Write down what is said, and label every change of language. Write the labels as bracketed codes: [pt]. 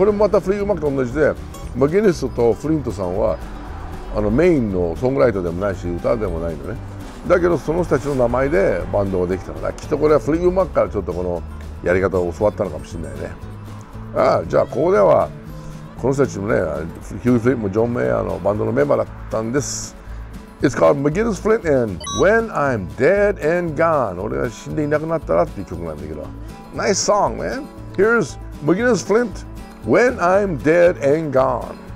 [ja] これもまたフリートウッド・マックと同じで、マギネスとフリントさんはメインのソングライターでもないし歌でもないのね。だけどその人たちの名前でバンドができたのだ。きっとこれはフリートウッド・マックからちょっとこのやり方を教わったのかもしれないね。じゃあここではこの人たちもね、ヒュー・フリートもジョン・メイヤーのバンドのメンバーだったんです。 [en] It's called McGinnis Flint and When I'm Dead and Gone。 [ja] 俺が死んでいなくなったらっていう曲なんだけど、 [en] Nice song man。 Here's McGinnis Flint When I'm Dead and Gone。